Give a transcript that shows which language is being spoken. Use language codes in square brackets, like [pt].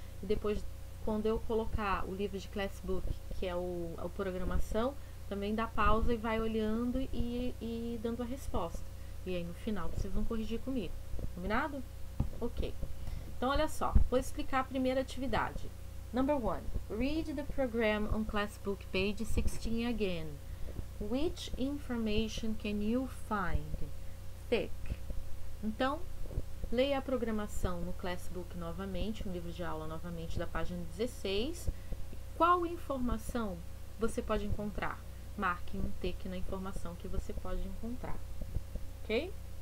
[pt] E depois, quando eu colocar o livro de Classbook, que é o programação, também dá pausa e vai olhando e dando a resposta. E aí, no final, vocês vão corrigir comigo. Combinado? Ok. Então, olha só, vou explicar a primeira atividade. [en] Number one, read the program on Classbook page 16 again. Which information can you find? Thick. [pt] Então, leia a programação no Classbook novamente, no livro de aula novamente, da página 16. Qual informação você pode encontrar? Marque um tick na informação que você pode encontrar. Ok?